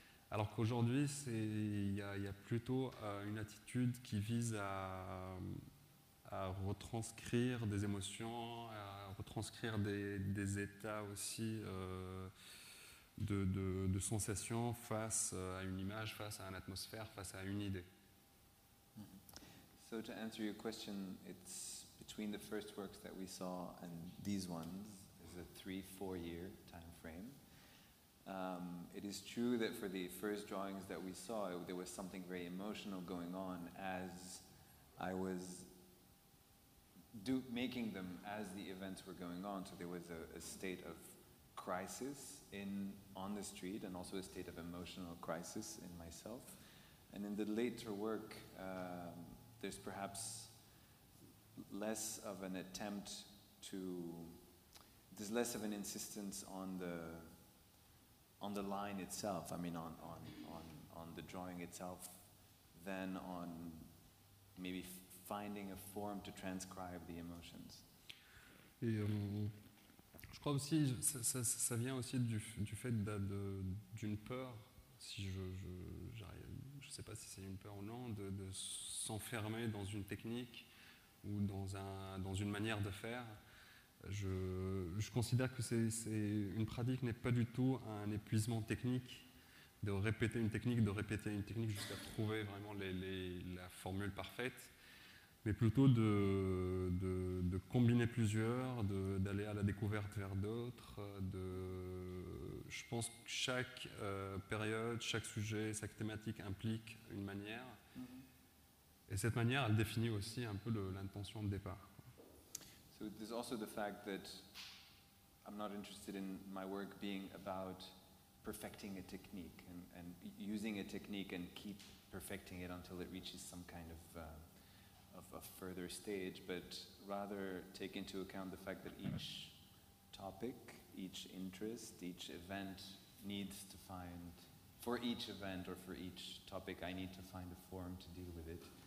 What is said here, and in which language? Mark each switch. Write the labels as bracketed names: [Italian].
[French] Alors qu'aujourd'hui, il y a plutôt une attitude qui vise à retranscrire des émotions, à retranscrire des états aussi... de sensation face à une image, face à une atmosphère, face à une idée. [English] So to answer your question, it's between the first works that we saw and these ones, is a 3-4 year time frame. It is true that for the first drawings that we saw, there was something very emotional going on as I was making them as the events were going on. So there was a state of crisis on the street, and also a state of emotional crisis in myself. And in the later work, there's perhaps less of an attempt to, there's less of an insistence on the line itself, I mean on the drawing itself, than on maybe finding a form to transcribe the emotions. [French] Et je crois aussi ça vient aussi du fait d'une peur, si je sais pas si c'est une peur ou non, de s'enfermer dans une technique ou dans une manière de faire. Je considère que c'est une pratique n'est pas du tout un épuisement technique, de répéter une technique jusqu'à trouver vraiment la formule parfaite, mais plutôt de combiner plusieurs, d'aller à la découverte vers d'autres. Je pense que chaque période, chaque sujet, chaque thématique implique une manière, et cette manière, elle définit aussi un peu l'intention de départ. [English] So there's also the fact that I'm not interested in my work being about perfecting a technique and using a technique and keep perfecting it until it reaches some kind of a further stage, but rather take into account the fact that each topic, each interest, each event needs to find, for each event or for each topic, I need to find a form to deal with it.